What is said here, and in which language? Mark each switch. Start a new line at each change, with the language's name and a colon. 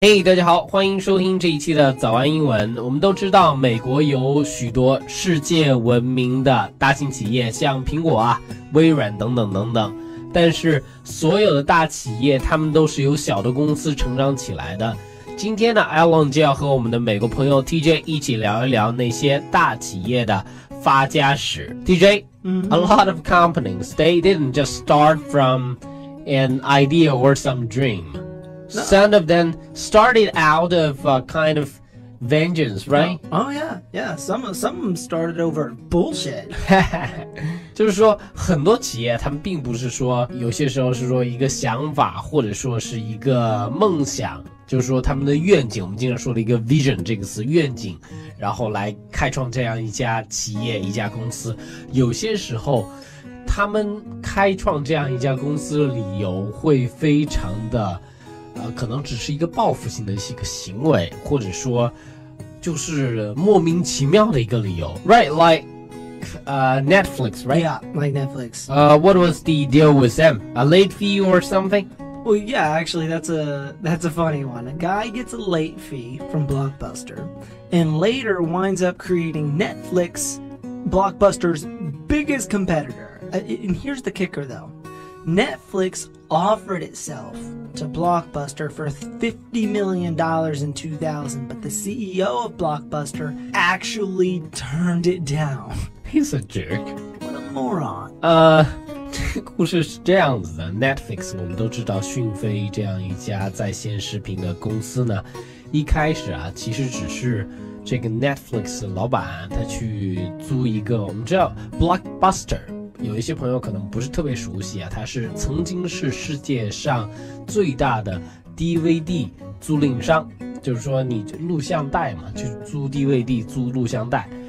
Chinese: 嘿、hey, 大家好，欢迎收听这一期的早安英文。我们都知道美国有许多世界闻名的大型企业，像苹果啊、微软等等等等，但是所有的大企业他们都是由小的公司成长起来的。今天呢， Alan 就要和我们的美国朋友 TJ 一起聊一聊那些大企业的发家史。
English: TJ、A lot of companies, they didn't just start from an idea or some dreamSome of them started out of a kind of vengeance, right? Oh, yeah. Some started over bullshit.
Chinese: 就是说很多企业他们并不是说有些时候是说一个想法或者说是一个梦想，就是说他们的愿景，我们经常说的一个 vision 这个词，愿景，然后来开创这样一家企业一家公司。有些时候他们开创这样一家公司的理由会非常的可能只是一个报复性的一个行为，或者说就是莫名其妙的一个理由。
English: Right, like Netflix, right? Yeah, like Netflix. What was the deal with them? A late fee or something? Well, yeah, actually, that's a funny one. A guy gets a late fee from Blockbuster and later winds up creating Netflix, Blockbuster's biggest competitor. And here's the kicker, though. Netflix offered itself... to Blockbuster for $50 million in 2000, but the CEO of Blockbuster actually turned it down. He's a jerk. What a moron.
Chinese: 这个故事是这样子的， Netflix 我们都知道讯飞这样一家在线视频的公司呢，一开始啊，其实只是这个 Netflix 老板他去租一个，我们知道 Blockbuster有一些朋友可能不是特别熟悉啊，它是曾经是世界上最大的 DVD 租赁商，就是说你录像带嘛，就租 DVD 租录像带。